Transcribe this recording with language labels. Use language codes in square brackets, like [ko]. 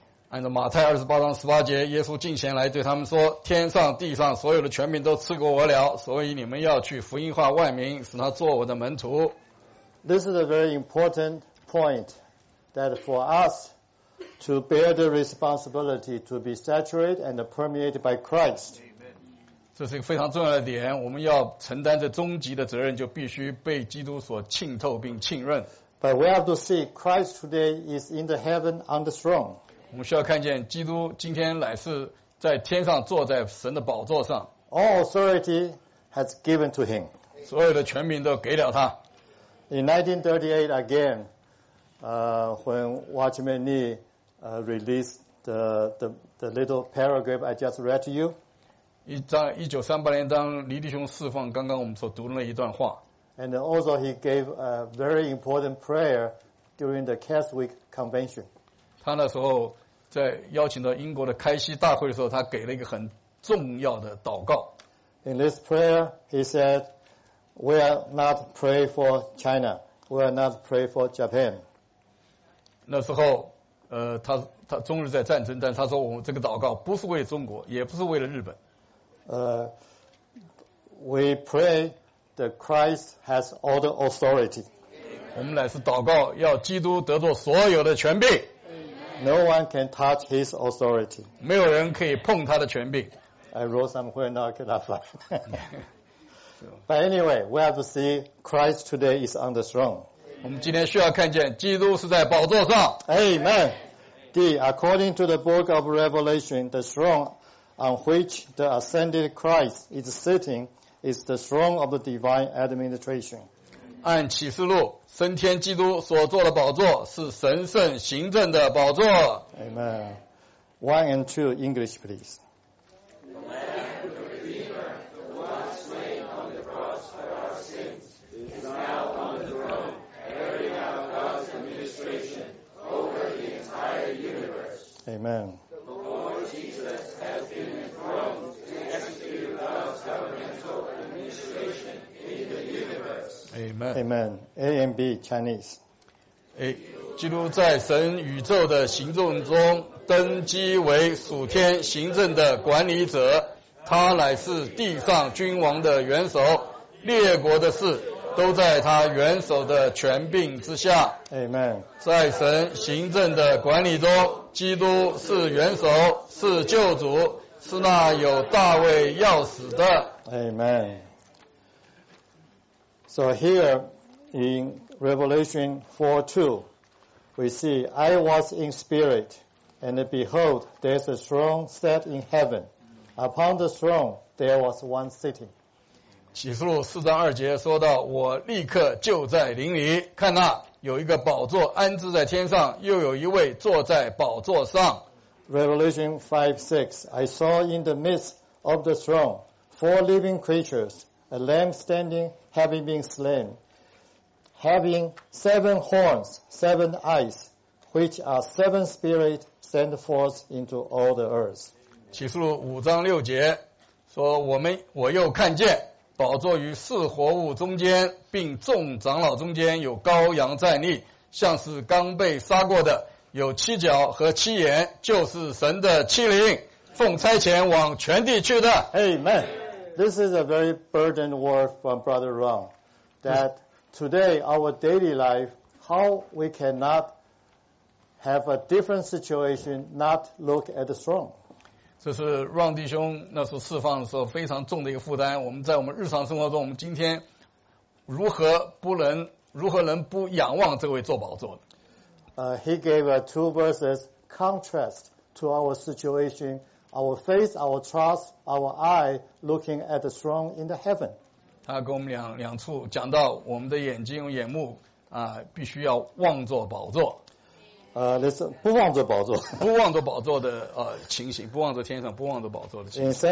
[zh] 按照马太28:18，耶稣近前来对他们说，天上地上所有的权柄都赐过我了，所以你们要去福音化万民，使他做我的门徒。 [en] This is a very important point that for us to bear the responsibility to be saturated and permeated by Christ. [zh] 这是一个非常重要的点，我们要承担着终极的责任，就必须被基督所浸透并浸润。 [en] But we have to see Christ today is in the heaven on the throne. [zh] 我们需要看见基督今天乃是在天上坐在神的宝座上。 [en] All authority has given to him. [zh] 所有的权柄都给了他。 [en] In 1938, again, when Watchman Nee, released the little paragraph I just read to you. [zh] 1938年当黎弟兄释放刚刚我们所读的那一段话。 [en] And also he gave a very important prayer during the Catholic Convention. [zh] 他那时候在邀请到英国的开禧大会的时候，他给了一个很重要的祷告。 [en] In this prayer, he said, "We are not pray for China. We are not pray for Japan." [zh] 那时候，他终日在战争，但他说我们这个祷告不是为中国，也不是为了日本。 [en] We pray that Christ has all the authority. [zh] 我们乃是祷告，要基督得到所有的权柄。 [en] No one can touch his authority. [zh] 没有人可以碰他的权柄。 [en] I wrote somewhere now, get up. But anyway, we have to see Christ today is on the throne. [zh] 我们今天需要看见基督是在宝座上。 [en] Amen. D, according to the book of Revelation, the throne on which the ascended Christ is sitting is the throne of the divine administration. [zh] 按启示录升天基督所坐的宝座是神圣行政的宝座。 [en] Amen. One and two English, please. The Lamb, the Redeemer, the one slain on the cross for our sins, is now on the throne, carrying out God's administration over the entire universe. Amen. The Lord Jesus has been enthroned to execute God's governmental administration. Amen. Amen. A and B Chinese. [zh] A, 基督在神宇宙的行政中登基为属天行政的管理者，他乃是地上君王的元首，列国的事都在他元首的权柄之下。 [en] Amen. [zh] 在神行政的管理中，基督是元首，是救主，是那有大卫钥匙的。 [en] Amen. So here in Revelation 4:2, we see, I was in spirit, and behold, there's a throne set in heaven. Upon the throne, there was one sitting. [zh] 启示录4:2说到，我立刻就在灵里，看那有一个宝座安置在天上，又有一位坐在宝座上。 [en] Revelation 5:6, I saw in the midst of the throne four living creatures, a lamb standing. Having been slain, having seven horns, seven eyes, which are seven spirits sent forth into all the earth. [zh] 启示录5:6说我又看见宝座于四活物中间，并众长老中间有羔羊站立，像是刚被杀过的，有七角和七眼，就是神的七灵，奉差遣往全地去的。 [en] Amen. This is a very burdened word from Brother Ron, that today our daily life, how we cannot have a different situation, not look at the throne. [zh] 这是 Ron 弟兄那时候释放的时候非常重的一个负担。我们在我们日常生活中，我们今天如何能不仰望这位坐宝座呢？ [en] He gave a two verses contrast to our situation. Our faith, our trust, our eye looking at the throne in the heaven. [zh] 他跟我们两处讲到我们的眼睛眼目必须要望着宝座。那是不望着宝座，不望着宝座的情形，不望着天上，不望着宝座的情形。